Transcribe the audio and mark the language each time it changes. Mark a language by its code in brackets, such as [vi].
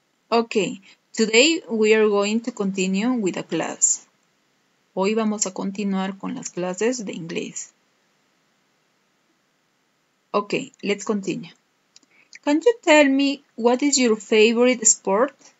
[en] Okay, today we are going to continue with a class. [es] Hoy vamos a continuar con las clases de inglés. [en] Okay, let's continue. Can you tell me what is your favorite sport?